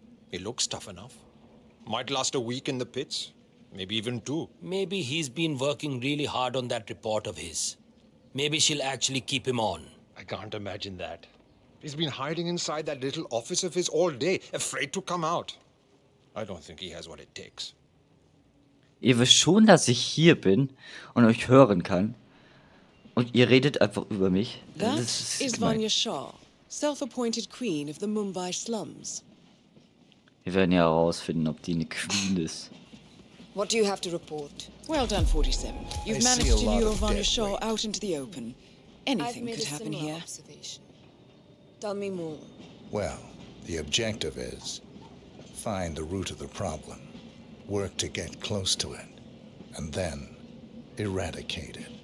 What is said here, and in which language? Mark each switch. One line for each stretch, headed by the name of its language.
English: He looks tough enough. Might last a week in the pits. Maybe even two. Maybe he's been working really hard on that report of his. Maybe she'll actually keep him on. I can't imagine that. He's been hiding inside that little office of his all day, afraid to come out. I don't think he has what it takes.
German: Ihr wisst schon, dass ich hier bin und euch hören kann. Und ihr redet einfach über mich.
English: That is Vanya Shah, self-appointed queen of the Mumbai slums.
German: Wir werden ja herausfinden, ob die eine Queen ist.
English: What do you have to report? Well done, 47. You've managed to lure Vanya Shah out into the open. Anything could happen here. Tell me more. Well, the objective is find the root of the problem, work to get close to it, and then eradicate it.